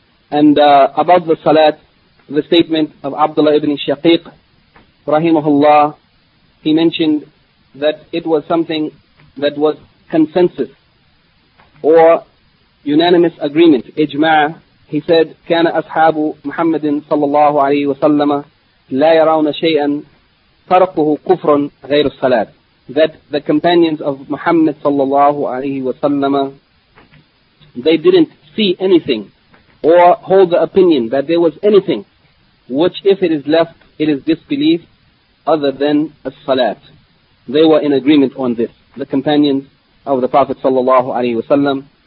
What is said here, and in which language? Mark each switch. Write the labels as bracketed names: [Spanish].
[English] And about the Salat, the statement of Abdullah ibn Shaqiq, rahimahullah, he mentioned that it was something that was consensus or unanimous agreement, ijma'ah. He said, [Arabic] كَانَ أَصْحَابُ مُحَمَّدٍ صَلَّى اللَّهُ عَلَيْهِ وَسَلَّمَ لَا يَرَوْنَ شَيْئًا تَرَقُهُ كُفْرٌ غَيْرُ الصَّلَاةِ. [English] That the companions of Muhammad sallallahu alayhi wa sallam, they didn't see anything or hold the opinion that there was anything which, if it is left, it is disbelief other than a salat. They were in agreement on this, the companions of the Prophet sallallahu alayhi wa sallam.